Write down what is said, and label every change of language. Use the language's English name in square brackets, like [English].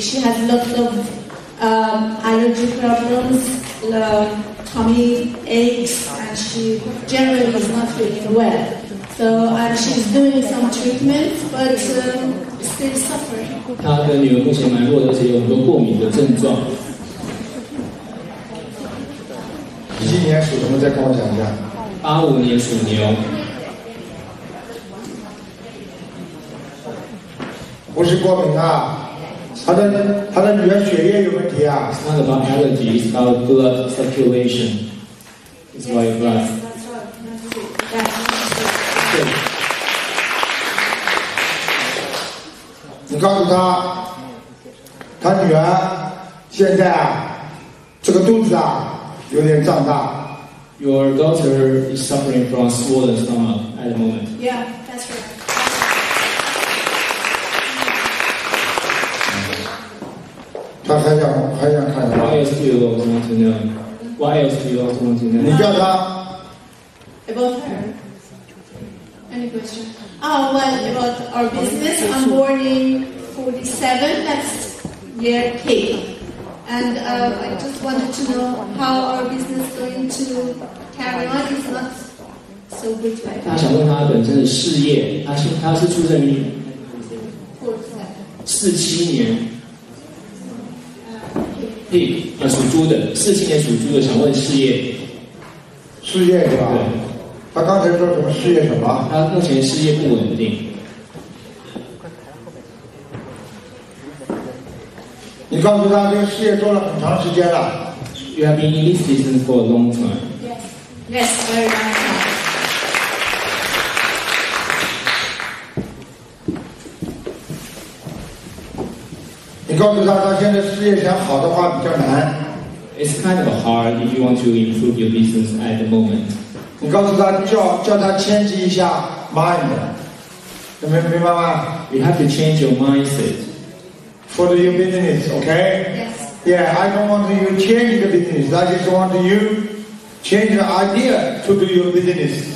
[English] She has lots of allergy problems, tummy aches, and she generally is not feeling well. So she's doing some treatment, but still suffering. [Chinese] 她的女儿目前蛮弱，而且有很多过敏的症状。今年属什么？再跟我讲一下。 85年属牛。不是过敏啊，他的女儿血液有问题啊。 [English] It's not about allergy, it's about blood circulation. It's why you're blind. [Chinese] 你告诉他，他女儿现在啊，这个肚子啊有点胀大。 [English] Your daughter is suffering from swollen stomach at the moment. Yeah, that's right. [Chinese] 他还想看。 [English] Why else do you also want to know? Why else do you also want to know? [Chinese] 你叫他， [English] about her? Any question? Oh, well, about our business. I'm born in 47, that's year K. And I just wanted to know how our business is going to carry on. It's not so good right now. [Chinese] 他想问他本身的事业，他是出生于47年。对，属猪的，47年属猪的，想问事业。事业是吧？对。他刚才说什么事业什么？他目前事业不稳定。你告诉他这个事业做了很长时间了。 [English] You have been in this business for a long time. Yes, yes, very long time. [Chinese] 告诉他，他现在事业想好的话比较难。 [English] It's kind of hard if you want to improve your business at the moment. [Chinese] 你告诉他叫他迁移一下 mind， 明白吗 [English] ？You have to change your mindset for your business, okay? Yes. Yeah, I don't want you to change the business. I just want you change the idea to do your business.